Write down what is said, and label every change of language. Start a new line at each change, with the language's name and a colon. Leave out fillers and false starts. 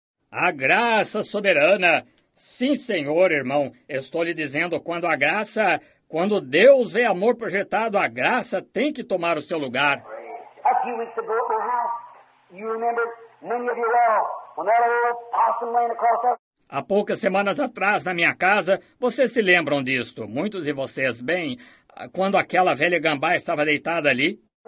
Portuguese: A graça soberana. Sim, senhor, irmão, estou lhe dizendo, quando a graça, quando Deus vê amor projetado, a graça tem que tomar o seu lugar.
English: A few weeks ago at my house, you remember many of you well, when that old possum ran across us.
Portuguese: Há poucas semanas atrás, na minha casa, vocês se lembram disto, muitos de vocês bem, quando aquela velha gambá estava deitada ali.